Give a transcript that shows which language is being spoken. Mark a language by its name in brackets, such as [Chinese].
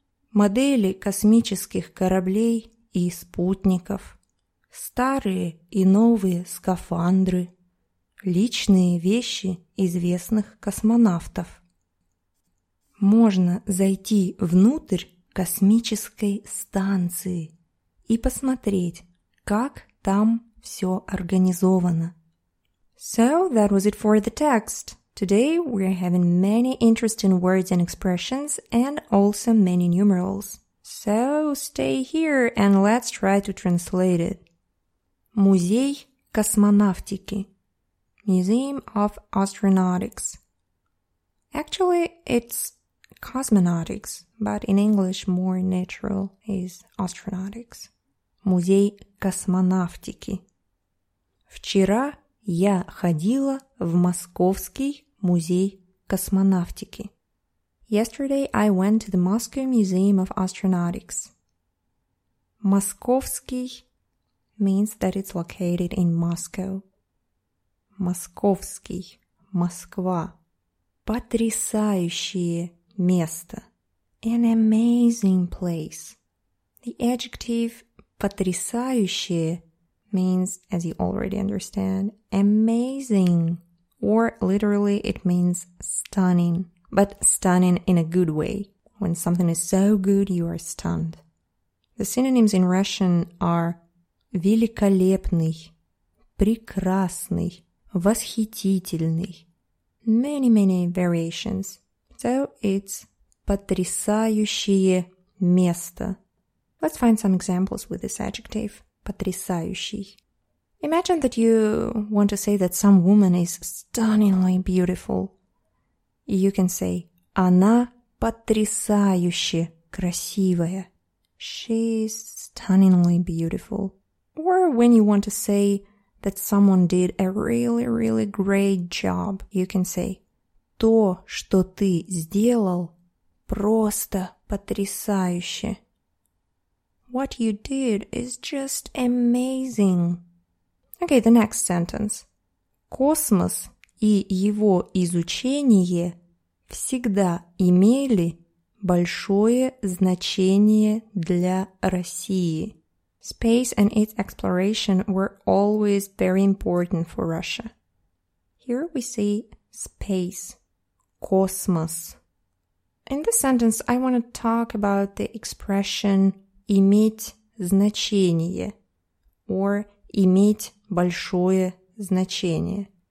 [Russian] Модели космических кораблей и спутников, старые и новые скафандры, личные вещи известных космонавтов. Можно зайти внутрь космической станции и посмотреть, как там все организовано. [English] So that was it for the text. Today we're having many interesting words and expressions and also many numerals. So stay here and let's try to translate it. [Russian] Музей космонавтики. [English] Museum of Astronautics. Actually, it's cosmonautics, but in English more natural is astronautics. [Russian] Музей космонавтики. Вчера я ходила в Московский музей космонавтики. [English] Yesterday I went to the Moscow Museum of Astronautics. [Russian] Московский [English] means that it's located in Moscow. [Russian] Московский, Москва. Потрясающее место. [English] An amazing place. The adjective потрясающее means, as you already understand, amazing, or literally it means stunning, but stunning in a good way. When something is so good, you are stunned. The synonyms in Russian are [Russian] великолепный, прекрасный, восхитительный. [English] Many, many variations. So it's [Russian] потрясающее место. [English] Let's find some examples with this adjective. [Russian] Потрясающий. [English] Imagine that you want to say that some woman is stunningly beautiful. you can say [Russian] она потрясающе красивая. [English] She's stunningly beautiful. Or when you want to say that someone did a really, really great job, you can say [Russian] то, что ты сделал, просто потрясающе. [English] What you did is just amazing. Okay, the next sentence. [Russian] Космос и его изучение всегда имели большое значение для России. [English] Space and its exploration were always very important for Russia. Here we say space. [Russian] Космос. [English] In this sentence, I want to talk about the expression [Russian] иметь значение [English] or [Russian] иметь большое значение.